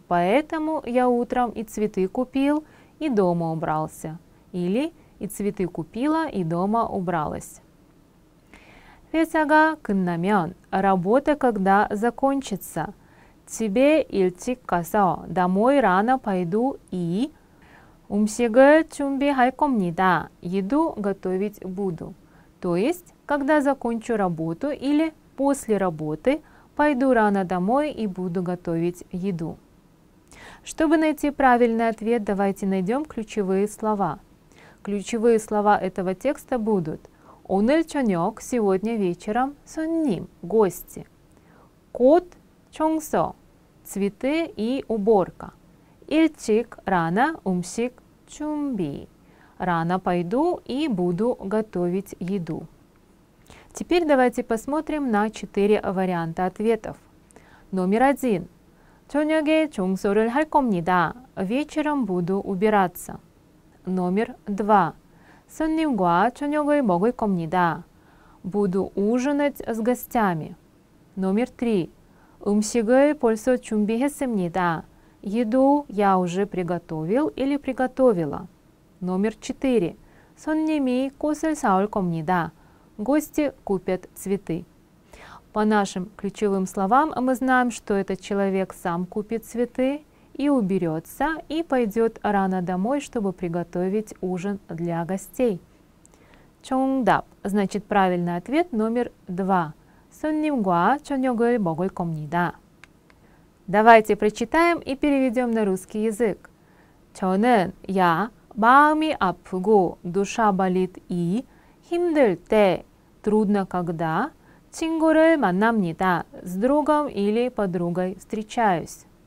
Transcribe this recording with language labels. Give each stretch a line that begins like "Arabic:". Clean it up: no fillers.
Russian: Поэтому я утром и цветы купил, и дома убрался. Или и цветы купила, и дома убралась.
Korean: 회사가 끝나면,
Russian: работа когда закончится.
Korean: 집에 일찍 가서,
Russian: домой рано пойду и
Korean: 음식을 준비할 겁니다.
Russian: Еду готовить буду. То есть, когда закончу работу или после работы, пойду рано домой и буду готовить еду. Чтобы найти правильный ответ, давайте найдем ключевые слова. Ключевые слова этого текста будут:
Korean: 오늘 저녁,
Russian: сегодня вечером,
Korean: 손님,
Russian: гости;
Korean: 꽃, 청소,
Russian: цветы и уборка;
Korean: 일찍,
Russian: рано,
Korean: 음식, 준비,
Russian: рано пойду и буду готовить еду. Теперь давайте посмотрим на 4 варианта ответов. Номер 1.
Korean: 저녁에 청소를 할 겁니다.
Russian: Вечером буду убираться. Номер 2.
Korean: 손님과 저녁을 먹을 겁니다.
Russian: Буду ужинать с гостями. Номер 3.
Korean: 음식을 벌써 준비했습니다.
Russian: Еду я уже приготовил или приготовила. Номер 4.
Korean: 손님이 꽃을 사올 겁니다.
Russian: Гости купят цветы. По нашим ключевым словам мы знаем, что этот человек сам купит цветы и уберется, и пойдет рано домой, чтобы приготовить ужин для гостей.
Korean: 정답.
Russian: Значит, правильный ответ номер 2.
Korean: 손님과 저녁을 먹을 겁니다.
Russian: Давайте прочитаем и переведем на русский язык.
Korean: 저는,
Russian: я,
Korean: 마음이 아프고,
Russian: душа болит и
Korean: 힘들 때,
Russian: трудно когда,
Korean: 친구를 만납니다,
Russian: с другом или подругой встречаюсь.